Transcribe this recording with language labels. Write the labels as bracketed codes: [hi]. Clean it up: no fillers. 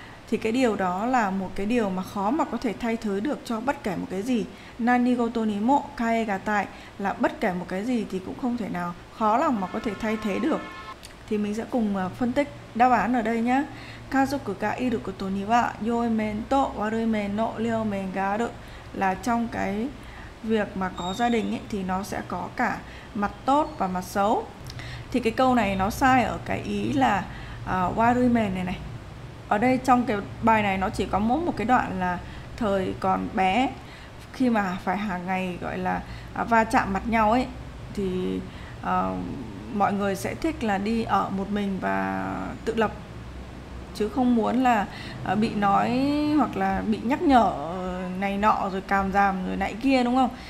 [vi] Thì cái điều đó là một cái điều mà khó mà có thể thay thế được cho bất kể một cái gì. [ja] Nanigoto ni mo kaegatai [vi] là bất kể một cái gì thì cũng không thể nào, khó lòng mà có thể thay thế được. thì mình sẽ cùng phân tích đáp án ở đây nhé. [ja] 家族がいることには良い面と悪い面の両面がある。 [vi] Là trong cái việc mà có gia đình ấy, thì nó sẽ có cả mặt tốt và mặt xấu. Thì cái câu này nó sai ở cái ý là [ja] warui men [vi] này này. Ở đây trong cái bài này nó chỉ có mỗi một cái đoạn là thời còn bé, khi mà phải hàng ngày gọi là va chạm mặt nhau ấy, thì mọi người sẽ thích là đi ở một mình và tự lập, chứ không muốn là bị nói hoặc là bị nhắc nhở này nọ rồi càm ràm rồi nãy kia, đúng không?